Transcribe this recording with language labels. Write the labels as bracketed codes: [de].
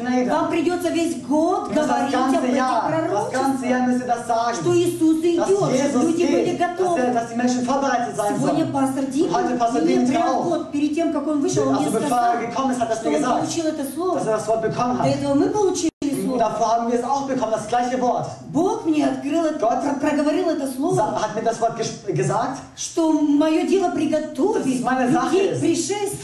[ru] Вам придется весь год говорить об этих пророчествах, что Иисус идет, что люди были готовы. Сегодня пастор Дим, и прямо вот перед тем, как он вышел, он мне сказал, что он получил это слово. До этого мы получили. [de] Davor haben wir es auch bekommen, das gleiche Wort. [ru] Бог мне открыл, проговорил это слово, [de] hat mir das Wort gesagt, [ru] что мое дело приготовить людей к пришествию,